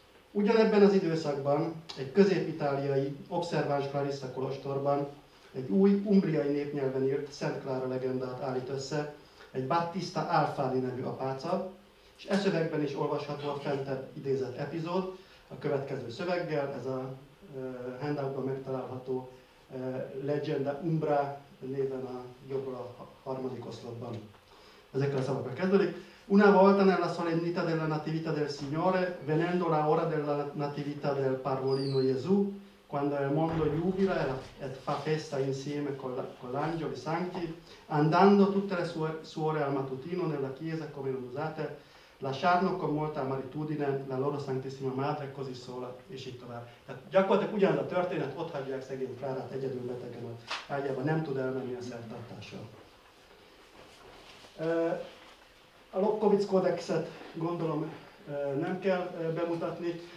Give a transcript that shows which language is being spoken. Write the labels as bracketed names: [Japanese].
[Hungarian] Ugyanebben az időszakban egy közép-itáliai observáns Clarissa kolostorban egy új umbriai népnyelven írt Szent Klára legendát állít össze, egy Battista Alfani nevű apáca, és e szövegben is olvasható a fentebb idézett epizód a következő szöveggel, ez a handoutban megtalálható Legenda Umbra néven a jobb a harmadik oszlopban. Ezekkel a szavakkal kezdődik. [Italian] Una volta nella solennità della natività del Signore, venendo la ora della natività del parvolino Gesù, quando il mondo giubila e fa festa insieme con l'angelo e santi, andando tutte le suore al mattutino nella chiesa come non usate, lasciando con molta amaritudine la loro santissima madre così sola, e si tovar. [Hungarian] Tehát gyakorlatilag ugyanaz a történet, ott hagyják szegény Klárát egyedül betegen, ágyában nem tud elmenni a szertartással. A Lobkowicz kódexet gondolom nem kell bemutatni.